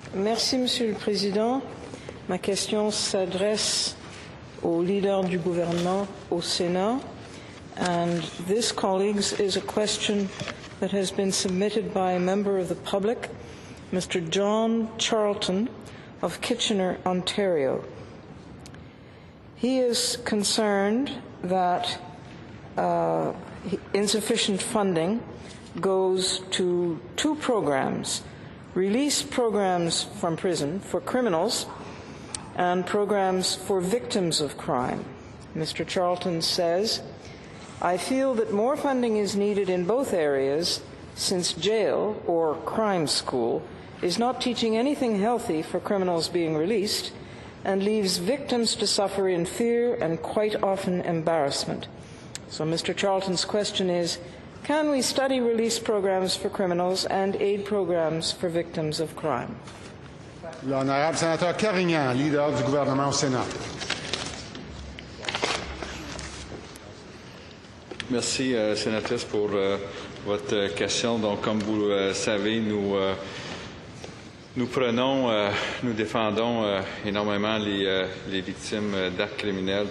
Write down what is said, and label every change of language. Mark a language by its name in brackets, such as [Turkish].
[French] Merci, Monsieur le Président. Ma question s'adresse au leader du gouvernement au Sénat. [English] And this, colleagues, is a question that has been submitted by a member of the public, Mr. John Charlton of Kitchener, Ontario. He is concerned that insufficient funding goes to two programs, release programs from prison for criminals and programs for victims of crime. Mr. Charlton says, I feel that more funding is needed in both areas since jail or crime school is not teaching anything healthy for criminals being released and leaves victims to suffer in fear and quite often embarrassment. So Mr. Charlton's question is, can we study release programs for criminals and aid programs for victims of crime? [French] L'honorable sénateur Carignan, leader du gouvernement au Sénat. Merci, sénatrice, pour votre question. Donc, comme vous le savez, nous, nous défendons énormément les victimes d'actes criminels.